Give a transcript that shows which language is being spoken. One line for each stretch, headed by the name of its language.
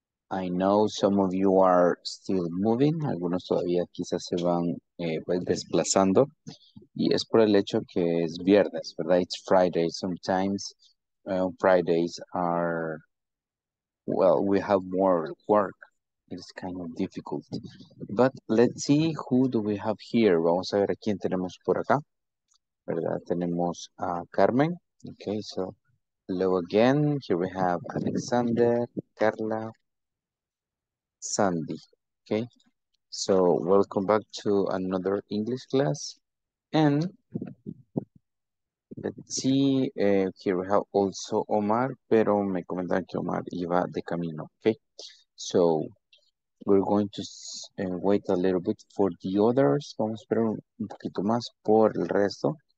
English: I know some of you are still moving.
Spanish: Algunos todavía quizás se van desplazando. Y es por el hecho que es viernes, ¿verdad?
English: It's Friday. Sometimes Fridays are, well, we have more work. It's kind of difficult. But let's see who do we have here.
Spanish: Vamos a ver a quién tenemos por acá. ¿Verdad? Tenemos a Carmen.
English: Okay, so hello again. Here we have Alexander, Carla, Sandy. Okay, so welcome back to another English class. And let's see, here we have also Omar,
Spanish: pero me comentan que Omar iba de camino.
English: Okay, so we're going to wait a little bit for the others.
Spanish: Vamos a esperar un poquito más por el resto.